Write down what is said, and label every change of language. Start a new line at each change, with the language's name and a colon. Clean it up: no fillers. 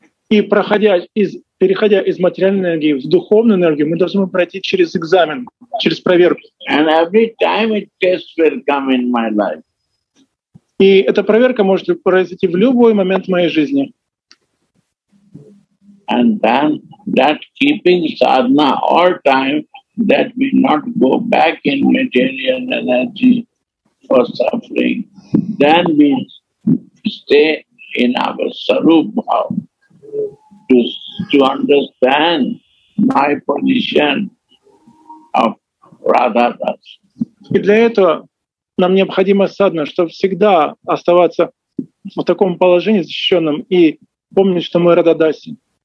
Russian: И переходя из материальной энергии в духовную энергию, мы должны пройти через экзамен, через проверку.
English: And every time a test will come in my life.
Russian: И эта проверка может произойти в любой момент в моей жизни.
English: And then that keeping sadhana all time, that we not go back in material energy for suffering, then we stay in our sarup bhav to understand my position of Radha Das.
Russian: И для этого нам необходимо садхана, чтобы всегда оставаться в таком положении защищенном и помнить, что мы Радха Даси.